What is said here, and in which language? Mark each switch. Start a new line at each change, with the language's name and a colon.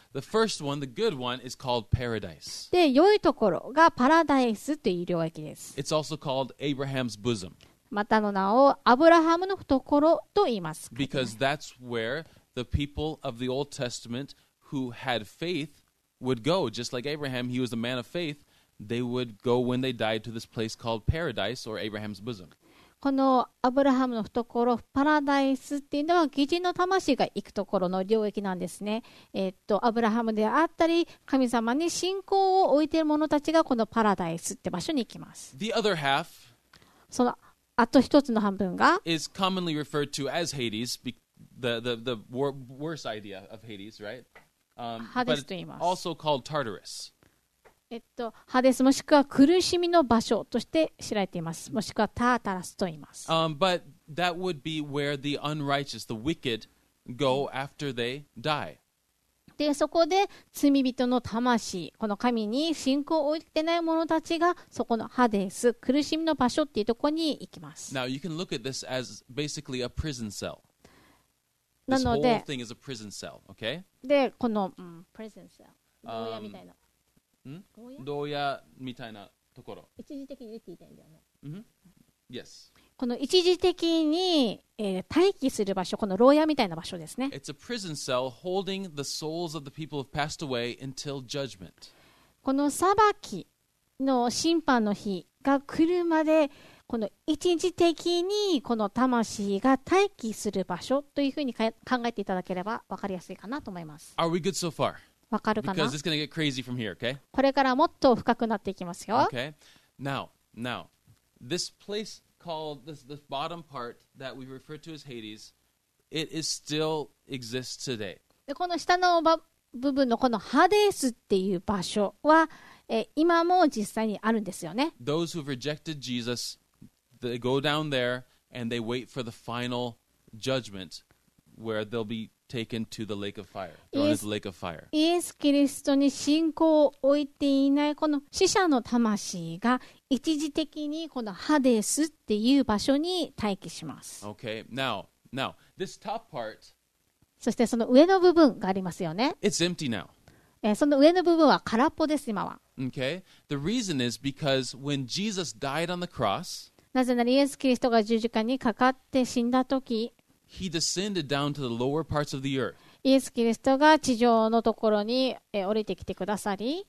English: The first one, the good one, is called paradise.
Japanese: で、良いところがパラダイスという領域です。
English: It's also called Abraham's bosom.
Japanese: またの名をアブラハムの懐と言います。
English: Because that's where the people of the Old Testament who had faith would go. Just like Abraham, he was a man of faith. They would go when they died to this place called paradise or Abraham's bosom.
Japanese: このアブラハムの懐、パラダイスっていうのは義人の魂が行くところの領域なんですね。アブラハムであったり、神様に信仰を置いている者たちがこのパラダイスって場所に行きます。
English: The other half,
Japanese: そのあと一つの半分が
English: is commonly referred to as Hades, the worst idea of Hades, right?
Japanese: ハデスと言います。
English: Also called Tartarus.
Japanese: ハデスもしくは苦しみの場所として知られています。もしくはタータラスと言います。
English: But that would be where the unrighteous, the wicked, go after they die.
Japanese: で、そこで罪人の魂、この神に信仰を置いてない者たちがそこのハデス、苦しみの場所っていうところに行きます。
English: Now you can look at this as basically a prison cell.
Japanese: なので
English: This whole thing is a prison cell, okay?
Japanese: で、この、prison cell 牢屋みたいな牢屋みたいなところ一時的に出ていたんだよね、
English: mm-hmm. Yes
Japanese: この一時的に、待機する場所、この牢屋みたいな場所ですね。
English: It's a prison cell holding the souls of the people who have passed away until judgment.
Japanese: この裁きの審判の日が来るまで、この一時的にこの魂が待機する場所というふうに考えていただければ分かりやすいかなと思います。
English: Are we good so far?
Japanese: 分かるかな?
English: Because it's going to get crazy from here, okay?
Japanese: これからもっと深くなっていきますよ。
English: Okay. Now, this place... called this bottom part that we refer to as Hades, it is still exists today.
Japanese: でこの下の部分のこのハデスっていう場所は今も実際にあるんですよね。
English: Those who've rejected Jesus, they go down there and they wait for the final judgment, where they'll be taken to the lake of fire, thrown into the lake of fire.
Japanese: イエス・キリストに信仰を置いていないこの死者の魂が一時的にこのハデスっていう場所に待機します。
English: Okay, now, this top part,
Japanese: そしてその上の部分がありますよね。
English: It's empty now.
Japanese: その上の部分は空っぽです、今は。
English: Okay, the reason is because when Jesus died on the cross,
Japanese: なぜならイエス・キリストが十字架にかかって死んだ時、
English: He descended down to the lower parts of the earth.
Japanese: イエス・キリストが地上のところに降りてきてくださり、